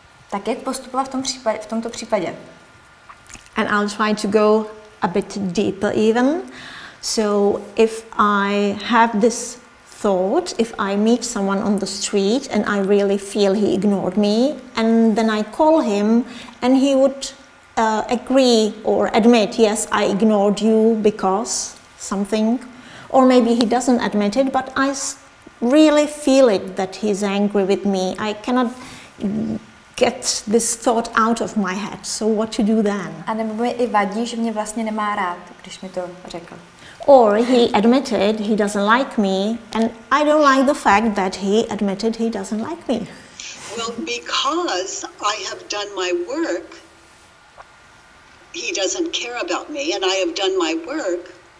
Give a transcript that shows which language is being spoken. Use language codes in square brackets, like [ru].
[cs] Tak jak postupovat v tomto případě? [en] And I'll try to go a bit deeper even. So if I have this thought, if I meet someone on the street and I really feel he ignored me, and then I call him and he would agree or admit, yes, I ignored you because something, or maybe he doesn't admit it, but I really feel it that he's angry with me. I cannot get this thought out of my head. So what to do then? [cs] A nebo mi i vadí, že mě vlastně nemá rád, když mi to řekl. [en] Or he admitted he doesn't like me, and I don't like the fact that he admitted he doesn't like me. Well, because I have done my work, he doesn't care about me, and I have done my work.